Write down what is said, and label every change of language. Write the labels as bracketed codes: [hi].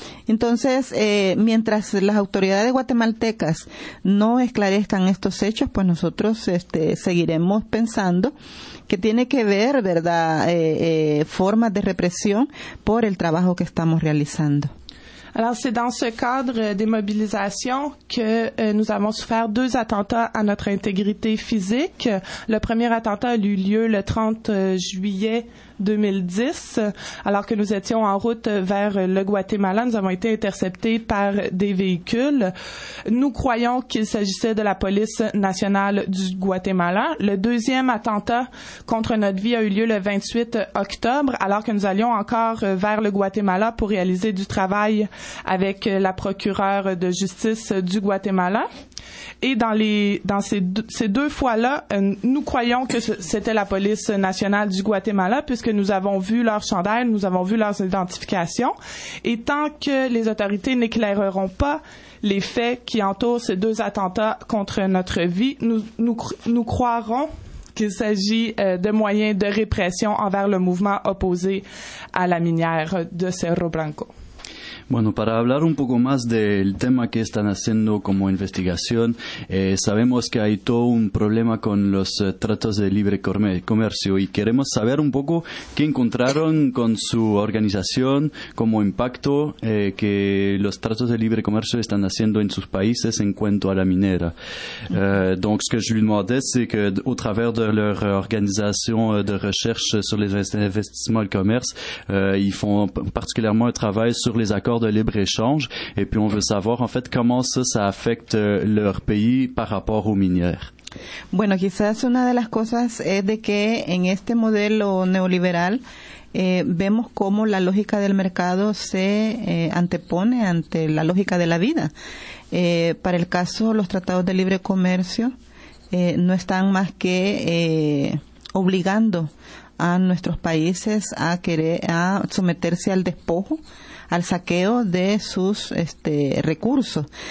[es] Entonces, mientras las autoridades guatemaltecas no esclarezcan estos hechos, pues nosotros seguiremos pensando que tiene que ver, ¿verdad?, formas de represión por el trabajo que estamos realizando. [fr] Alors, c'est dans ce cadre des mobilisations que nous avons souffert deux attentats à notre intégrité physique. Le premier attentat a eu lieu le 30 juillet 2010, alors que nous étions en route vers le Guatemala. Nous avons été interceptés par des véhicules. Nous croyons qu'il s'agissait de la police nationale du Guatemala. Le deuxième attentat contre notre vie a eu lieu le 28 octobre, alors que nous allions encore vers le Guatemala pour réaliser du travail avec la procureure de justice du Guatemala. Et dans ces deux fois-là, nous croyons que c'était la police nationale du Guatemala puisque nous avons vu leurs chandails, nous avons vu leurs identifications. Et tant que les autorités n'éclaireront pas les faits qui entourent ces deux attentats contre notre vie, nous croirons qu'il s'agit de moyens de répression envers le mouvement opposé à la minière de Cerro Blanco. [es] Bueno, para hablar un poco más del tema que están haciendo como investigación, sabemos que hay todo un problema con los tratos de libre comercio y queremos saber un poco qué encontraron con su organización, como impacto que los tratos de libre comercio están haciendo en sus países en cuanto a la minera. [fr] Donc, ce que je lui demandais, c'est que au travers de leur organisation de recherche sur les investissements et le commerce, ils font particulièrement un travail sur les accords de libre-échange, et puis on veut savoir en fait comment ça affecte leur pays par rapport aux minières. [es] Bueno, quizás una de las cosas es de que en este modelo neoliberal vemos cómo la lógica del mercado se antepone ante la lógica de la vida. Para el caso, los tratados de libre comercio no están más que obligando a nuestros países a querer a someterse al despojo, al saqueo de sus recursos.